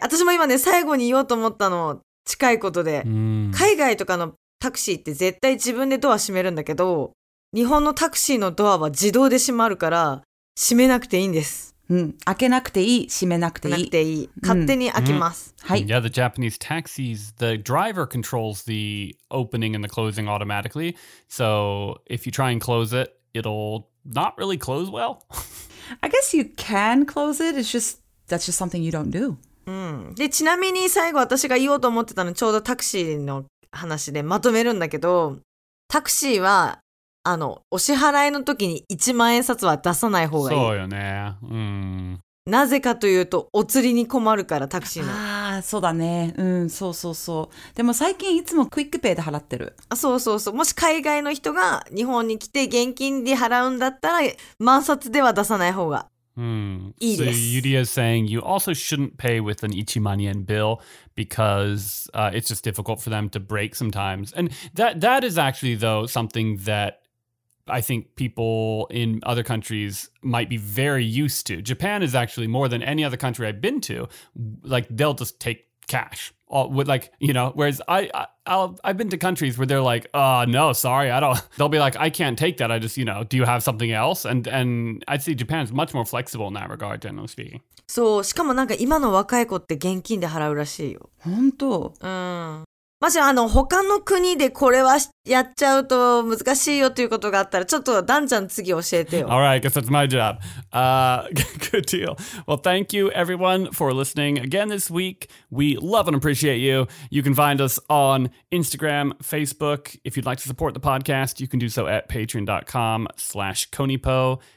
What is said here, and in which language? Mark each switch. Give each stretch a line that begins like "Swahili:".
Japanese: 私も今ね、最後に言おうと思ったの、近いことで。海外とかのタクシーって絶対自分でドア閉めるんだけど、日本のタクシーのドアは自動で閉まるから、閉めなくていいんです。うん、開けなくていい、閉めなくていい。なくていい。勝手に開きます。はい。
English: Yeah, the Japanese taxis, the driver controls the opening and the closing automatically. So if you try and close it, it'll not really close well. I guess you can close it. It's just, that's just something you don't do.
Japanese: で、ちなみに最後私が言おうと思ってたの、ちょうどタクシーの話でまとめるんだけど、タクシーは、あの、お支払いの時に1万円札は出さない方がいい。そうよね。なぜかというと、お釣りに困るから、タクシーの。ああ、そうだね。うん、そうそうそう。でも最近いつもクイックペイで払ってる。あ、そうそうそう。もし海外の人が日本に来て現金で払うんだったら、万札では出さない方がいいです。
English: So Yuria is saying you also shouldn't pay with an 1万円 bill because it's just difficult for them to break sometimes. And that is actually though something that I think people in other countries might be very used to. Japan is actually more than any other country I've been to. Like, they'll just take cash. Like, you know, whereas I've been to countries where they're like, no, sorry, I don't. They'll be like, I can't take that. I just, you know, do you have something else? And I'd say Japan is much more flexible in that regard, generally speaking. So,
Japanese: しかもなんか今の若い子って現金で払うらしいよ。本当？もしあの他の国でこれはやっちゃうと難しいよということがあったらちょっとダンちゃん次教えてよ。
English: All right, I guess that's my job. Good deal. Well, thank you everyone for listening again this week. We love and appreciate you. You can find us on Instagram, Facebook. If you'd like to support the podcast, you can do so at patreon.com/konipo.